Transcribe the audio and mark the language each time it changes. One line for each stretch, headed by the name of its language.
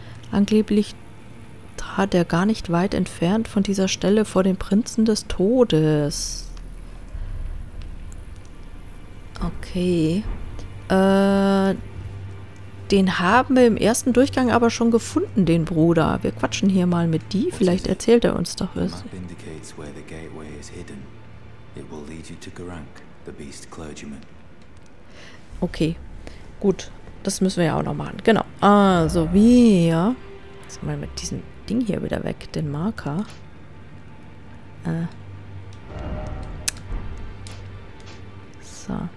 German: Angeblich trat er gar nicht weit entfernt von dieser Stelle vor den Prinzen des Todes. Okay. Den haben wir im ersten Durchgang aber schon gefunden, den Bruder. Wir quatschen hier mal mit die, vielleicht erzählt er uns doch was.
English: Map indicates where the gateway is hidden. It will lead you to Garank, the beast clergyman.
German: Okay, gut. Das müssen wir ja auch noch machen. Genau. Also wir... Jetzt mal mit diesem Ding hier wieder weg, den Marker. So.